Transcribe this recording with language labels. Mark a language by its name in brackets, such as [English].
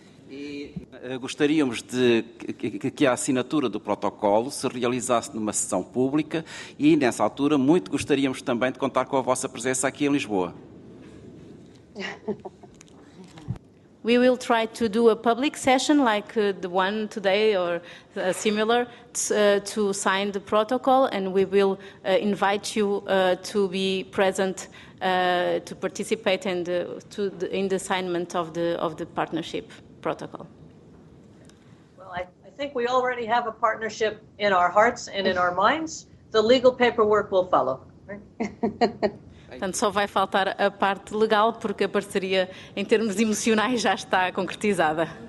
[Portuguese] E gostaríamos de que a assinatura do protocolo se realizasse numa sessão pública e, nessa altura, muito gostaríamos também de contar com a vossa presença aqui em Lisboa. [English] We will try to do a public session like the one today or similar to sign the protocol, and we will invite you to be present to participate in the assignment of the partnership protocol. Well, I think we already have a partnership in our hearts and in our minds. The legal paperwork will follow. [Portuguese] Portanto, só vai faltar a parte legal, porque a parceria em termos emocionais já está concretizada.